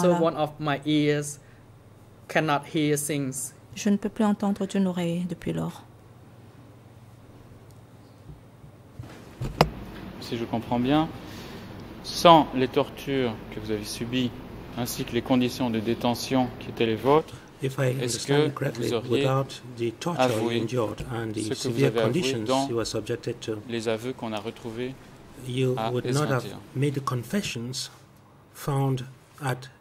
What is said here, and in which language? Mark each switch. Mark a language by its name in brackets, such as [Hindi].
[English] And also one of my ears cannot hear things. [French] Je ne peux plus entendre d'une oreille depuis lors. Si je comprends bien, sans les tortures que vous avez subies ainsi que les conditions de détention qui étaient les vôtres, est-ce que vous auriez avoué ce que vous avez avoué dans les aveux qu'on a retrouvés à S21? [English] Would not have made the confessions found at